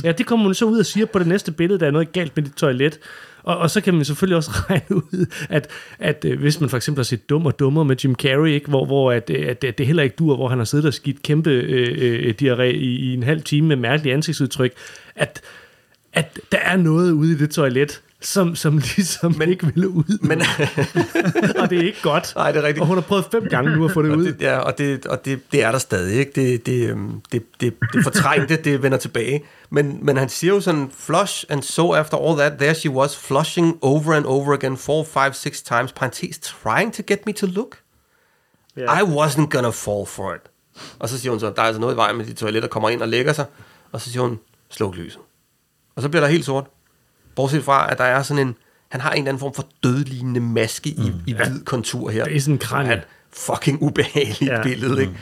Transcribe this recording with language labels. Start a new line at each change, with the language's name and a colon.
Danish: Ja, det kommer hun så ud og siger på det næste billede, der er noget galt med dit toilet. Og så kan man selvfølgelig også regne ud, at hvis man for eksempel har set Dum og Dummer med Jim Carrey, ikke, hvor at det heller ikke dur, hvor han har siddet og skidt kæmpe diarré i en halv time med mærkelige ansigtsudtryk, at der er noget ude i det toilet, Som ligesom men, ikke ville ud. Men, og det er ikke godt. Nej, det er rigtigt. Og hun har prøvet 5 gange nu at få det ud. Ja, og det er der stadig, ikke? Det fortrængte, det vender tilbage. Men han siger jo sådan,
English: flush and so after all that, there she was flushing over and over again, 4, 5, 6 times,
Danish: parentes,
English: trying to get me to look. Yeah. I wasn't gonna fall for it.
Danish: Og så siger hun så, der er altså noget i vejen med de toiletter, kommer ind og lægger sig. Og så siger hun, sluk lyset. Og så bliver der helt sort. Bortset fra, at der er sådan en... Han har en eller anden form for dødlignende maske i hvid kontur her. Det er sådan en kran. Han, fucking ubehageligt billede, ikke?